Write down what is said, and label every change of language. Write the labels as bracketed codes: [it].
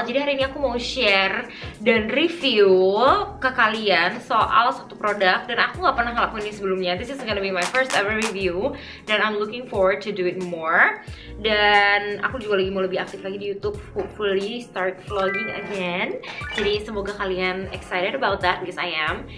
[id] Jadi hari ini aku mau share dan review ke kalian soal satu produk. Dan aku gak pernah ngelakuin ini sebelumnya. [en] This is gonna be my first ever review. [id] Dan [en] I'm looking forward to do it more. [id] Dan aku juga lagi mau lebih aktif lagi di YouTube. [en] Hopefully start vlogging again. [id] Jadi semoga kalian [en] excited about that, because I am.